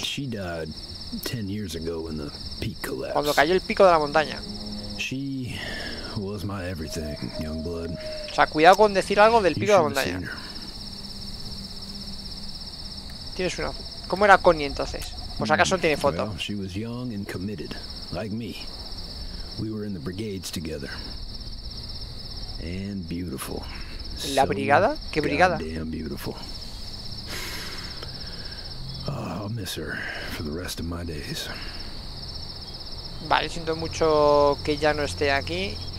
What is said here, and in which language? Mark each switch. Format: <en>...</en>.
<en>She died 10 years ago when the peak collapsed.</en> <es>Cuando cayó el pico de la montaña.</es> <en>She was my everything, young blood.</en> <es>O sea, cuidado con decir algo del pico de la montaña. Tienes una. ¿Cómo era Connie entonces? Pues acaso no tiene foto.</es> <en>Well, she was young and committed, like me. We were in the brigades together. And beautiful.</en> <es>¿La brigada? ¿Qué brigada?</es> <en>Goddamn beautiful. I'll miss her for the rest of my days.</en> <es>Vale, siento mucho que ya no esté aquí.</es>